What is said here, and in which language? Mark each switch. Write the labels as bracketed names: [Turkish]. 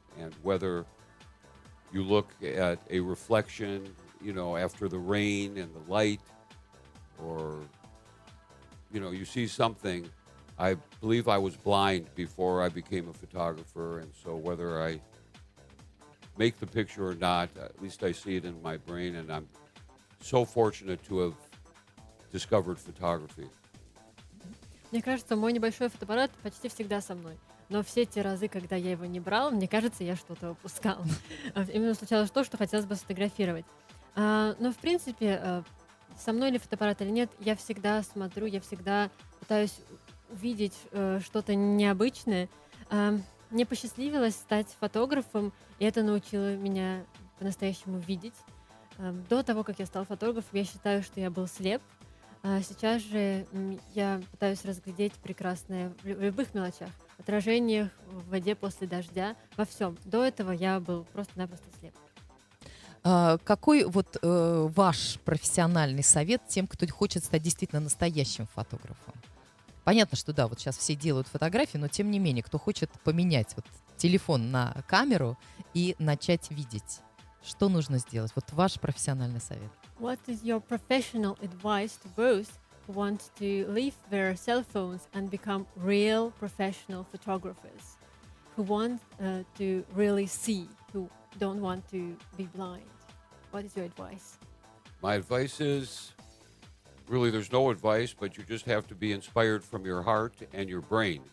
[English] And whether you look at a reflection, you know, after the rain and the light, or, you know, you see something, I believe I was blind before I became a photographer. And so whether I make the picture or not, at least I see it in my brain. And I'm so fortunate to have discovered photography. [Russian] Мне кажется, мой небольшой фотоаппарат почти всегда со мной. Но все те разы, когда я его не брал, мне кажется, я что-то упускал. Именно случалось то, что хотелось бы сфотографировать. Но, в принципе, со мной ли фотоаппарат или нет, я всегда смотрю, я всегда пытаюсь увидеть что-то необычное. Мне посчастливилось стать фотографом, и это научило меня по-настоящему видеть. До того, как я стал фотографом, я считаю, что я был слеп. Сейчас же я пытаюсь разглядеть прекрасное в любых мелочах, в отражениях, в воде после дождя, во всем. До этого я был просто-напросто слеп. Какой вот ваш профессиональный совет тем, кто хочет стать действительно настоящим фотографом? Понятно, что да, вот сейчас все делают фотографии, но тем не менее, кто хочет поменять вот телефон на камеру и начать видеть, что нужно сделать? Вот ваш профессиональный совет. [English] What is your professional advice to those who want to leave their cell phones and become real professional photographers, who want to really see, who don't want to be blind? What is your advice? My advice is, really there's no advice, but you just have to be inspired from your heart and your brain.